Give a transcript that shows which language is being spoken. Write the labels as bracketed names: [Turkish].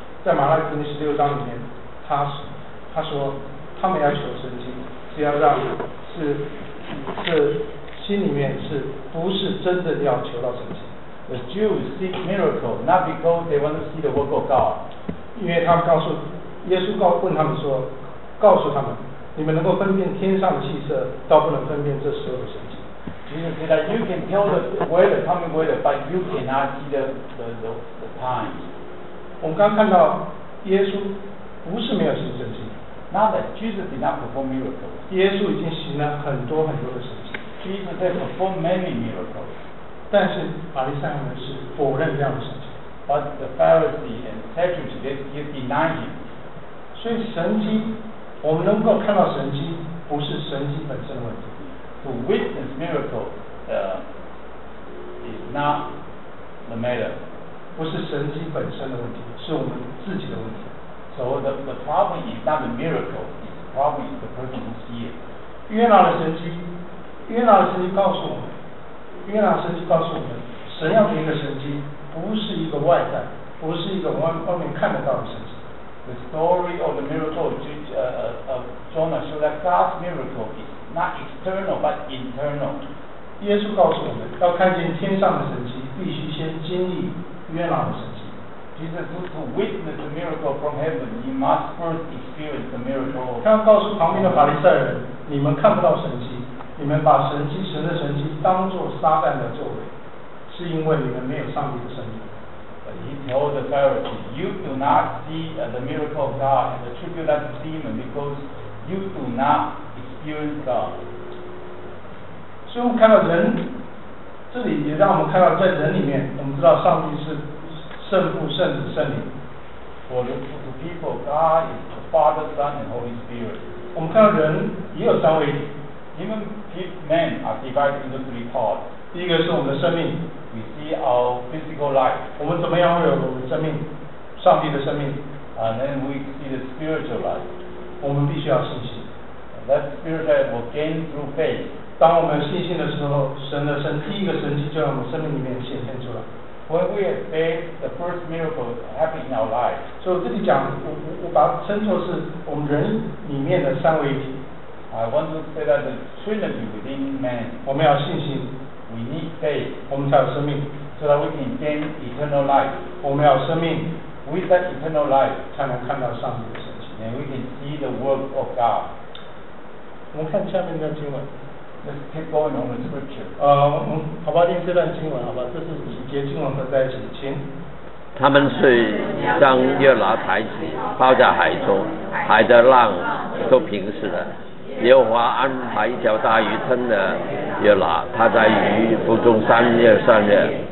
[Chinese] 在马太福音16里面，他说他们要求神迹，是要让是心里面是不是真的要求到神迹。 [English] The Jews seek miracle not because they want to see the work of God. [Chinese] 因为他们告诉耶稣问他们说，告诉他们，你们能够分辨天上的气色，倒不能分辨这时候的神迹。 [English] Jesus said that you can tell the weather, coming weather, but you cannot see the time. [Chinese] 我们刚看到耶稣不是没有行神迹。 [English] Not that Jesus did not perform miracles. [Chinese] 耶稣已经行了很多很多的神迹。 [English] Jesus did perform many miracles. [Chinese] 但是法利赛人是否认这样的事情。 [English] But the Pharisees and Sadducees they deny him. [Chinese] 所以神迹，我们能够看到神迹，不是神迹本身的问题。 [English] To witness miracle, is not the matter. [Chinese] 不是神迹本身的问题，是我们自己的问题。 [English] So the problem is not the miracle, it's the problem is the person who sees [Chinese] it. 约拿的神迹告诉我们。约拿神迹告诉我们，神要给一个神迹，不是一个外在，不是一个外面看得到的神迹。 [English] The story of the miracle of Jonah shows that God's miracle is not external but internal. [Chinese] 耶稣告诉我们，要看见天上的神迹，必须先经历约拿的神迹。 [English] Jesus said to witness the miracle from heaven, you must first experience the miracle. [Chinese] 他告诉旁边的法利赛人，你们看不到神迹。你们把神迹神的神迹当作撒旦的作为，是因为你们没有上帝的生命。 [English] But he told the Pharisees, you do not see the miracle of God and attribute that to demon because you do not experience God. [Chinese] 所以我们看到人，这里也让我们看到在人里面，我们知道上帝是圣父、圣子、圣灵。 [English] For the people, God is the Father, Son, and Holy Spirit. [Chinese] 我们看到人也有三位。 [English] Even men are divided into three parts. [Chinese] 第一个是我们的生命。 [English] We see our physical life. [Chinese] 我们怎么样会有我们生命？上帝的生命。 [English] And then we see the spiritual life. [Chinese] 我们必须要信心。 [English] That spiritual life will gain through faith. [Chinese] 当我们信心的时候，第一个神迹就在我们生命里面显现出来。 [English] When we have faith, the first miracle happens in our life. [Chinese] 所以这里讲，我把称作是我们人里面的三位一体。 [English] I want to say that the Trinity within man. [Chinese] 我们要信心。 [English] We need faith. [Chinese] 我们才有生命。 [English] So that we can gain eternal life. [Chinese] 我们要生命。 [English] With that eternal life, [Chinese] 才能看到上帝的神迹。 [English] And we can see the work of God. [Chinese] 我们看下面的经文。 [English] Let's keep going on the scripture. [Chinese] 好吧，念这段经文，好吧，这是几节经文合在一起，请。他们是将约拿抬起，抛在海中，海的浪都平息了。耶和华安排一条大鱼吞了约拿，他在鱼腹中三日三夜。